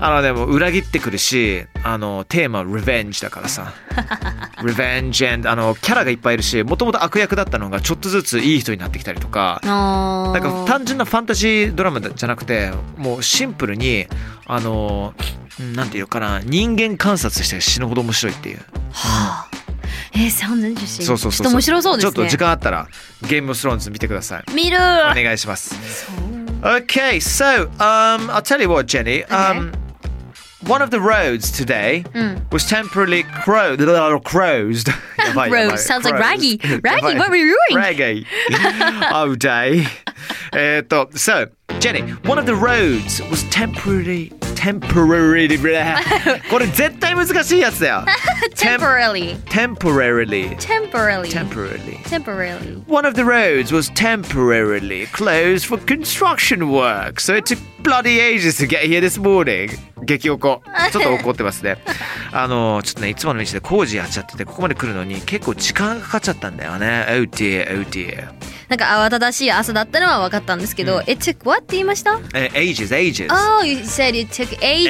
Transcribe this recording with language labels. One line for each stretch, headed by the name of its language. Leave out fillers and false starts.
Japanese: あの、でも裏切ってくるし、あのテーマリベンジだからさ、リベンジ、あのキャラがいっぱいいるし、もともと悪役だったのがちょっとずついい人になってきたりとか、なんか単純なファンタジードラマじゃなくて、もうシンプルにあの、なんていうかな、人間観察して死ぬほど面白いっていう。はあ、サウンドに自信。ちょっと面白そうですね。ちょっと時間あったらゲームオブスローンズ見てください。見る。お願いします。
English: Okay, so I'll tell you what, Jenny. Okay. One of the roads today was temporarily closed. Closed. Sounds Like Raggy. Raggy, what were you doing? Raggy. Oh, day. So, Jenny, one of the roads was temporarily closed.
Japanese: Temporarily これ絶対難しいやつだよ。
English: Temporarily. Temporarily. Temporarily. Temporarily. Temporarily. One of the roads was temporarily closed for construction work. So it took bloody ages to get here this morning.
Japanese: 激怒。ちょっと怒ってますね。あの、ちょっとね、いつもの道で工事やっちゃってて、ここまで来るのに結構時間がかかっちゃったんだよね。
English: Oh dear, oh dear.
Japanese: なんか慌ただしい朝だったのは分かったんですけど、うん、
English: It took what
Japanese: って言いました？
English: Ages, ages. Oh, you said it took ages.